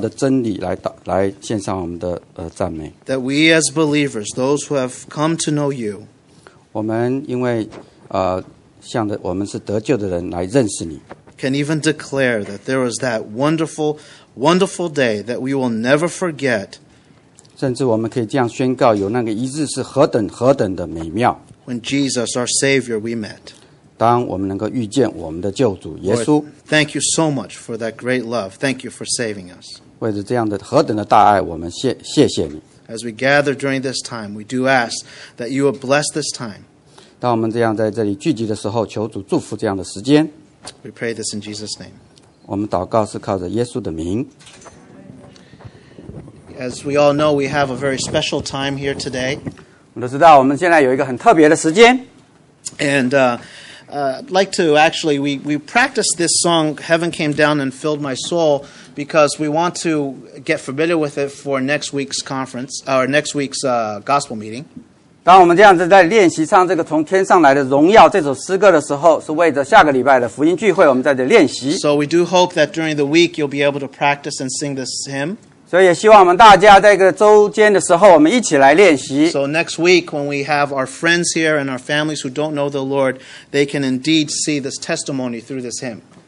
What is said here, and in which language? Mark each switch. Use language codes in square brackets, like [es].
[zh] 主，我们要为着这何等美妙的真理来献上我们的赞美。 [en] That we as believers, those who have come to know you, [zh] 我们因为像我们是得救的人来认识你。 [en] Can even declare that there was that wonderful, wonderful day that we will never forget. [zh] 甚至我们可以这样宣告，有那个一日是何等何等的美妙。 [en] When Jesus, our Savior, we met. [zh] 当我们能够遇见我们的救主耶稣。 [en] Lord, thank you so much for that great love. Thank you for saving us. [zh] 为着这样的何等的大爱，我们谢谢你。 [en] As we gather during this time, we do ask that you would bless this time. [zh] 当我们这样在这里聚集的时候，求主祝福这样的时间。 [en] We pray this in Jesus' name. [zh] 我们祷告是靠着耶稣的名。 [en] As we all know, we have a very special time here today. [zh] 我们都知道我们现在有一个很特别的时间。 [en] And we practiced this song, Heaven Came Down and Filled My Soul, because we want to get familiar with it for next week's conference, or next week's gospel meeting. [zh] 当我们这样子在练习唱这个从天上来的荣耀这首诗歌的时候，是为着下个礼拜的福音聚会，我们在这练习。 [en] So we do hope that during the week you'll be able to practice and sing this hymn. [zh] 所以也希望我们大家在一个周间的时候，我们一起来练习。 [en] So next week, when we have our friends here and our families who don't know the Lord, they can indeed see this testimony through this hymn.